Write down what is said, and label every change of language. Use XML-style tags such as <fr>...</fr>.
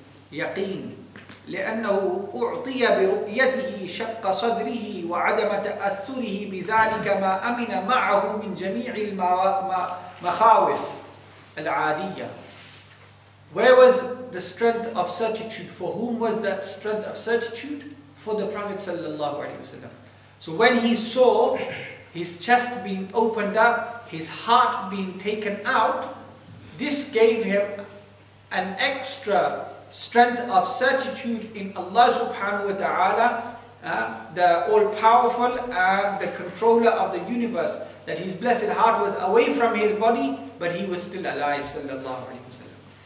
<ar>يقين لأنه أعطي برؤيته شق صدره وعدم تأثره بذلك ما أمن معه من جميع المخاوف العادية.</ar> <en>Where was the strength of certitude? For whom was that strength of certitude? For the Prophet صلى الله عليه وسلم. So when he saw his chest being opened up, his heart being taken out, this gave him an extra strength of certitude in Allah subhanahu wa ta'ala, the all-powerful and the controller of the universe, that his blessed heart was away from his body, but he was still alive sallallahu alayhi wa sallam.</en>